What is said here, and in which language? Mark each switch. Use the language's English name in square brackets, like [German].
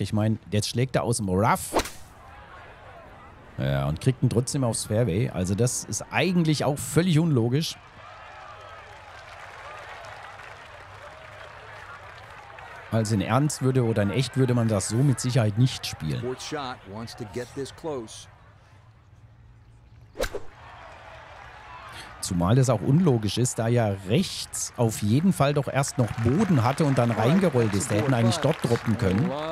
[German] Ich meine, jetzt schlägt er aus dem Rough. Ja, und kriegt ihn trotzdem aufs Fairway. Also das ist eigentlich auch völlig unlogisch. Also in Ernst würde oder in Echt würde man das so mit Sicherheit nicht spielen. [English] Fourth shot wants to get this close. [German] Zumal das auch unlogisch ist, da ja rechts auf jeden Fall doch erst noch Boden hatte und dann reingerollt ist. Da hätten eigentlich dort droppen können.